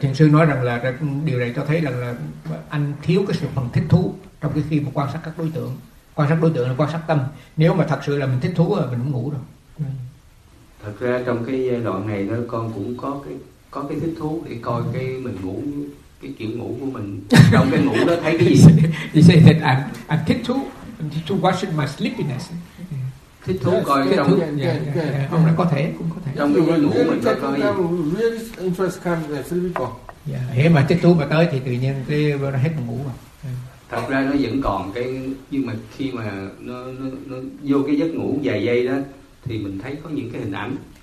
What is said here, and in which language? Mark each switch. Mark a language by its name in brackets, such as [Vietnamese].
[Vietnamese] Thiền sư nói rằng là điều này cho thấy rằng là anh thiếu cái sự phần thích thú trong cái khi mà quan sát các đối tượng. Quan sát đối tượng là quan sát tâm. Nếu mà thật sự là mình thích thú là mình không ngủ rồi. Thật ra trong cái giai đoạn này nó con cũng có cái thích thú để coi cái mình ngủ, cái kiểu ngủ của mình trong cái ngủ đó thấy cái gì. [English] You say that I'm [Vietnamese] thích thú, [English] I'm thích thú watching my sleepiness. [Vietnamese] Thích thú coi cái trong không là có thể cũng có thể trong cái ngủ mình coi cái [English] really interest kind of sleep [Vietnamese] còn. Yeah, nếu mà thích thú mà tới thì tự nhiên cái nó hết ngủ rồi. Thật ra nó vẫn còn cái, nhưng mà khi mà nó vô cái giấc ngủ vài giây đó thì mình thấy có những cái hình ảnh.